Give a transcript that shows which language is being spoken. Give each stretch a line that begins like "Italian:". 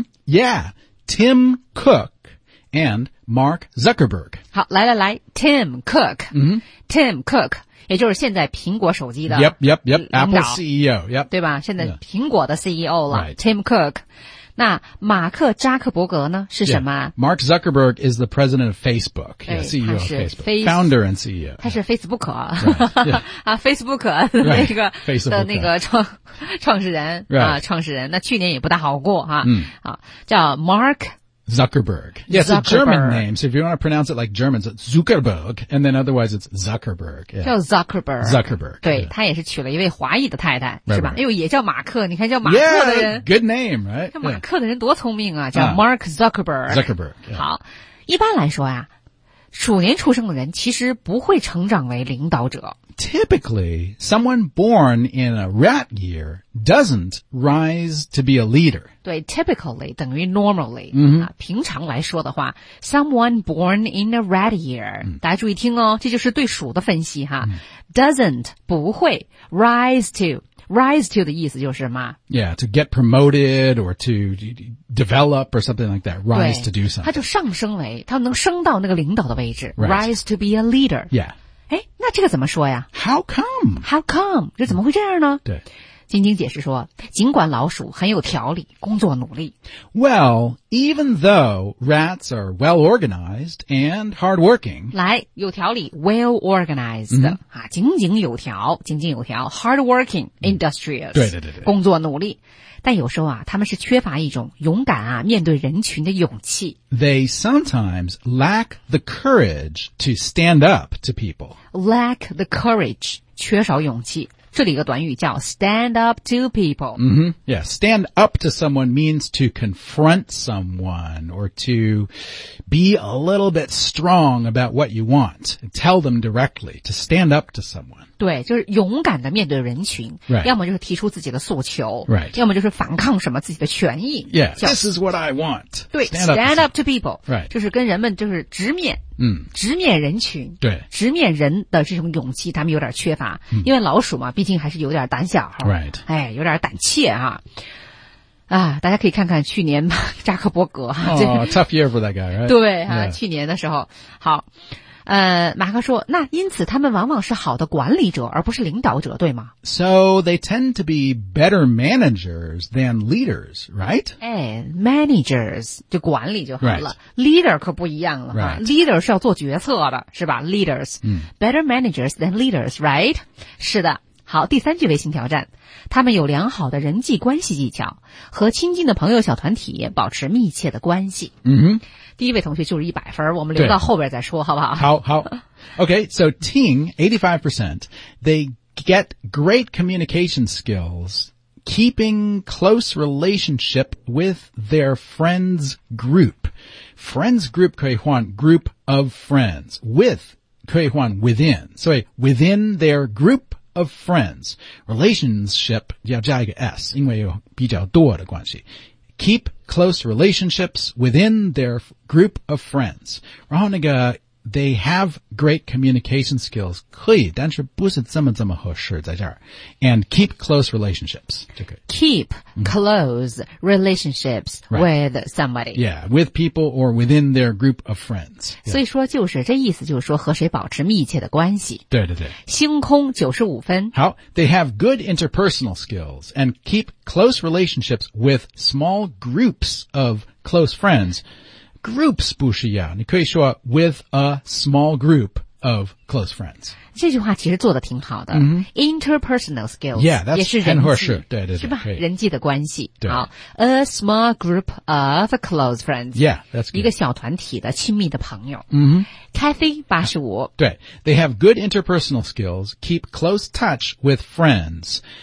English: Yeah，Tim Cook and Mark Zuckerberg。
Chinese: 好，来来来 ，Tim Cook。Tim Cook， 也就是现在苹果手机的。
English: Yep，Apple CEO。 Yep，
Chinese: 对吧？现在苹果的 CEO 了、
English: Tim Cook。
Chinese: 那马克扎克伯格呢是什么、
English: Mark Zuckerberg is the president of Facebook, CEO of Facebook, founder and CEO.
Chinese: 他是 Facebook,、
English: right. yeah.
Chinese: 啊 ,Facebook 的那个、
English: right.
Chinese: 的那个创始人、
English: right.
Chinese: 啊创始人那去年也不大好过啊、叫
English: Mark Zuckerberg. Yeah, Zuckerberg. It's a German name, so if you want to pronounce it like German, it's Zuckerberg, and then otherwise it's Zuckerberg.、Yeah.
Chinese: 叫 Zuckerberg.
English: Zuckerberg.
Chinese: 对、yeah. 他也是娶了一位华裔的太太、
English: right,
Chinese: 是吧、
English: right.
Chinese: 哎呦也叫马克你看叫马克的人。
English: Yeah, good name, right?
Chinese: 叫马克的人多聪明啊叫 Mark Zuckerberg.、
English: Zuckerberg.、Yeah.
Chinese: 好一般来说啊鼠年出生的人其实不会成长为领导者。
English: Typically, someone born in a rat year doesn't rise to be a leader.
Chinese: 对 ,typically 等于 normally.、平常来说的话 ,
English: someone born in a rat year,、
Chinese: 大家注意听哦这就是对鼠的分析哈、,
English: doesn't,
Chinese: 不会
English: rise to
Chinese: 的意思就是什么
English: ?Yeah, to get promoted or to develop or something like that, rise to do something.
Chinese: 他就上升为他能升到那个领导的位置、
English: right. ,rise to be a leader. Yeah.
Chinese: 哎，那这个怎么说呀
English: ?How come?
Chinese: 这怎么会这样呢对。晶晶解释说尽管老鼠很有条理工作努力。
English: Well, even though rats are well organized and hardworking.
Chinese: 来有条理 ,well organized.、井井有条井井有条 ,hardworking, industrious.、对对对对。工作努力。但有时候啊他们是缺乏一种勇敢啊面对人群的勇气。
English: They sometimes lack the courage to stand up to people. Lack the courage,
Chinese: 缺少勇气。这里一个短语叫
English: stand up to people.、 Yeah, stand up to someone means to confront someone or to be a little bit strong about what you want. Tell them directly to stand up to someone.
Chinese: 对就是勇敢的面对人群、
English: right.
Chinese: 要么就是提出自己的诉求、
English: right.
Chinese: 要么就是反抗什么自己的权益。
English: Yeah, this is what I want.
Chinese: 对 stand up to people.、
English: Right.
Chinese: 就是跟人们就是直面。直面人群对直面人的这种勇气他们有点缺乏、因为老鼠嘛毕竟还是有点胆小、
English: right.
Chinese: 哎，有点胆怯啊啊，大家可以看看去年扎克伯格、
English: tough year for that guy、right?
Chinese: 对、去年的时候好马克说那因此他们往往是好的管理者而不是领导者对吗
English: So they tend to be better managers than leaders, right?
Chinese: 哎 managers, 就管理就好了、
English: right.
Chinese: Leader 可不一样了、
English: right. Leader
Chinese: 是要做决策的是吧
English: Leaders、Better managers than leaders, right?
Chinese: 是的好第三句微信挑战他们有良好的人际关系技巧和亲近的朋友小团体保持密切的关系嗯哼第一位同学就是100分我们留到后边再说好不好好好。
English: Okay, so Ting, 85%, they get great communication skills, keeping close relationship with their friends group. Friends group 可以换 group of friends, with 可以换 within. So within their group of friends, relationship
Chinese: 要加一个 S, 因为有比较多的关系。
English: Keep close relationships within their group of friends. 然后那个 they have great communication skills.
Chinese: 可以但是不是这么合适在这儿。
English: And keep close relationships. Keep keep close relationships with somebody. Yeah, with people or within their group of friends.
Chinese: 所以说就是这意思就是说和谁保持密切的关系。对对对。星空95分。
English: 好, they have good interpersonal skills and keep close relationships with small groups of close friends. Groups
Chinese: 不是一样,你可以说
English: with a small group. Of close friends.
Chinese: 这句话其实做得挺好的。
English: Mm-hmm. Interpersonal skills. Yeah, that's
Chinese: 也是人际。对对对。是吧人际的关系。对。
English: 好 ,a small group of close friends. Yeah, that's good.
Chinese: 一个小团体的亲密的朋友。
English: Mm-hmm. Kathy, 85.
Chinese: 对。
English: They have good interpersonal skills, keep close touch with friends.